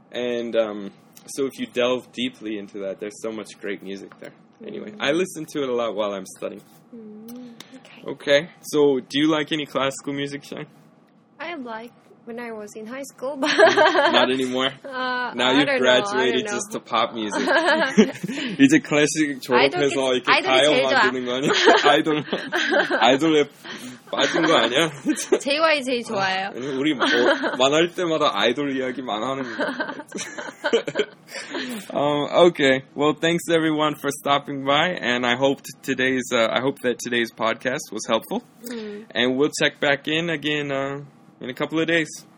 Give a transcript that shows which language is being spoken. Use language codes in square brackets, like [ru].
[en] And so if you delve deeply into that, there's so much great music there. Mm. Anyway, I listen to it a lot while I'm studying. Mm. Okay, so do you like any classical music, Shine? I like when I was in high school, but... Not anymore? Now you've graduated just to pop music. [ko] 이제 클래식 졸업해서 이렇게 가요 만드는 거 아니야? 아이돌, 아이돌에 빠진 거 아니야? JY 제일 좋아요. 우리 만날 때마다 아이돌 이야기 많아하는 거. [en] Okay, well, thanks everyone for stopping by, and I hope that today's podcast was helpful, and we'll check back in again in a couple of days.